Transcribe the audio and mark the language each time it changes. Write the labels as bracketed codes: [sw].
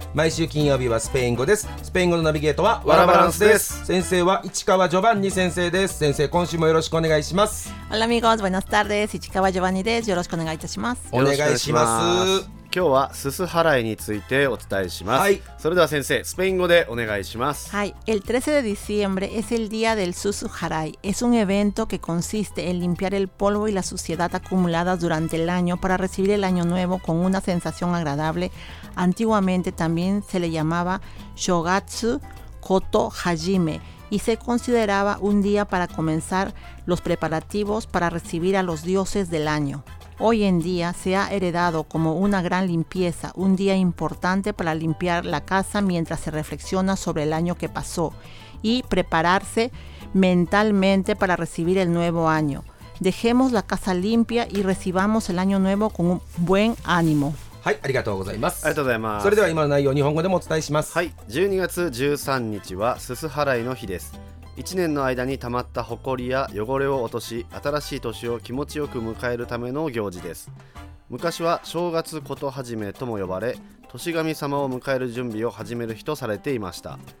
[ja] 毎週金曜日はスペイン語です。スペイン語のナビゲートはワラバランスです。先生は市川ジョバンニ先生です。先生、今週もよろしくお願いします。 [es] オラミゴーズ、バイナスタール [ja] です。市川ジョバンニです。よろしくお願いいたします。お願いします。今日はすす払いについてお伝えします。はい、それでは先生、スペイン語でお願いします。はい、 [es] el 13 de diciembre es el día del susu harai. Es un evento que consiste en limpiar el polvo y la suciedad acumuladas durante el año para recibir el año nuevo con una sensación agradable. Antiguamente también se le llamaba shogatsu koto hajime y se consideraba un día para comenzar los preparativos para recibir a los dioses del año. Hoy en día se ha heredado como una gran limpieza, un día importante para limpiar la casa mientras se reflexiona sobre el año que pasó y prepararse mentalmente para recibir el nuevo año. Dejemos la casa limpia y recibamos el año nuevo con un buen ánimo. [ja] はい、ありがとうございます。ありがとうございます。それでは今の内容を日本語でもお伝えします。はい、12月13日はすす払いの日です。 1年の間にたまったほこりや汚れを落とし、新しい年を気持ちよく迎えるための行事です。昔は正月ことはじめとも呼ばれ、年神様を迎える準備を始める日とされていました。